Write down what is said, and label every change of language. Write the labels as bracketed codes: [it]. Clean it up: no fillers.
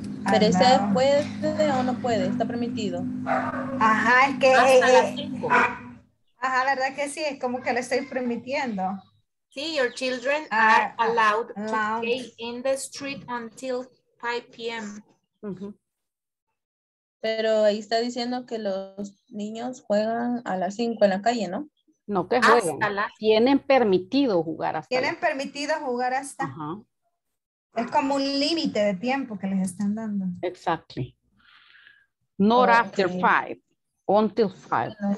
[es] Pero ese puede o no puede, está permitido. Ajá, es que hasta las 5. Ajá, la verdad que sí, es como que le estoy permitiendo. [en] Sí, your children are allowed to stay in the street until 5 p.m. [es] Pero ahí está diciendo que los niños juegan a las 5 en la calle, ¿no? No, que juegan. Tienen permitido jugar hasta. Tienen permitido jugar hasta. Uh-huh. Es como un límite de tiempo que les están dando. [en] Exactly. Not after 5, until 5.